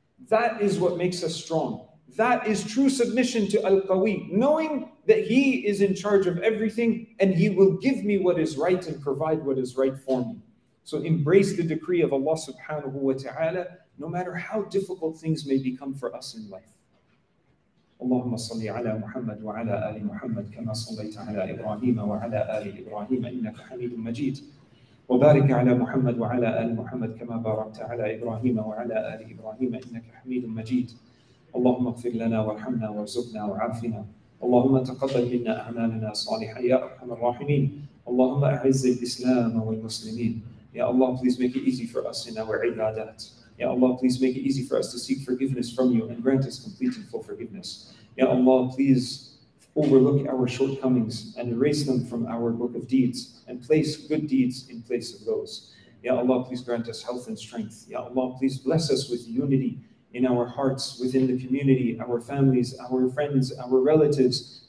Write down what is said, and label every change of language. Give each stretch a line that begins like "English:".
English: That is what makes us strong. That is true submission to Al-Qawi, knowing that He is in charge of everything and He will give me what is right and provide what is right for me. So embrace the decree of Allah subhanahu wa ta'ala, no matter how difficult things may become for us in life.
Arabic: اللهم صل على محمد وعلى آل محمد كما صليت على إبراهيم وعلى آل إبراهيم إنك حميد مجيد وبارك على محمد وعلى آل محمد كما باركت على إبراهيم وعلى آل إبراهيم إنك حميد مجيد اللهم اغفر لنا وارحمنا وارزقنا وعافنا اللهم تقبل منا أعمالنا الصالحة يا أرحم الراحمين اللهم أعز الإسلام والمسلمين يا الله
English: please make it easy for us in our
Arabic: عبادات.
English: Ya Allah, please make it easy for us to seek forgiveness from You and grant us complete and full forgiveness. Ya Allah, please overlook our shortcomings and erase them from our book of deeds and place good deeds in place of those. Ya Allah, please grant us health and strength. Ya Allah, please bless us with unity in our hearts, within the community, our families, our friends, our relatives.